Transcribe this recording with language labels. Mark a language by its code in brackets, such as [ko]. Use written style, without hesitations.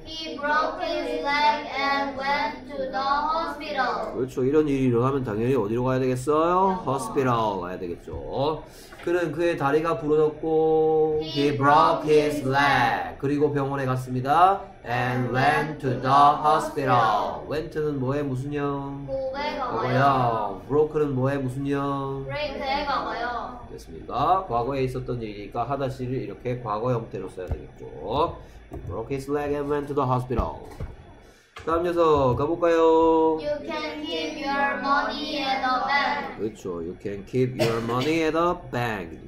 [en] He broke his leg and went to the hospital. [ko] 그렇죠. 이런 일이 일어나면 당연히 어디로 가야 되겠어요? Hospital 가야 되겠죠. 그는 그의 다리가 부러졌고, [en] He broke his leg. [ko] 그리고 병원에 갔습니다. [en] And went to the hospital. Went는 [ko] 뭐에 무슨 형? 과거형. Broke는 뭐에 무슨 형? 브레이크에 가봐요. 됐습니다. 과거에 있었던 일이니까 하다시를 이렇게 과거 형태로 써야 되겠죠. [en] He broke his leg and went to the hospital. [ko] 다음 녀석 가볼까요? [en] You can keep your money at the bank. [ko] 그렇죠. [en] You can keep your money at the bank.